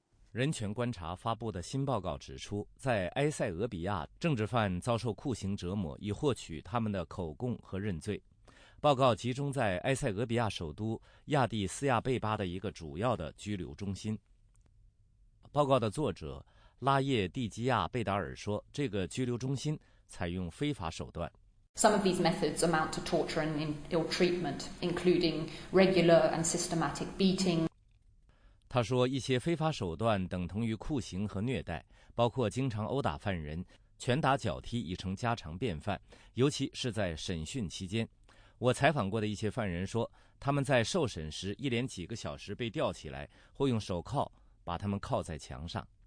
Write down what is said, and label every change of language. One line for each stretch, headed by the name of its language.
Chinese: 人权观察发布的新报告指出，在埃塞俄比亚，政治犯遭受酷刑折磨以获取他们的口供和认罪。报告集中在埃塞俄比亚首都亚迪斯亚贝巴的一个主要的拘留中心。报告的作者拉叶蒂基亚贝达尔说，这个拘留中心采用非法手段。
English: Some of these methods amount to torture and ill treatment, including regular and systematic beating.
Chinese: 他说，一些非法手段等同于酷刑和虐待，包括经常殴打犯人，拳打脚踢已成家常便饭，尤其是在审讯期间。我采访过的一些犯人说，他们在受审时一连几个小时被吊起来，或用手铐把他们铐在墙上。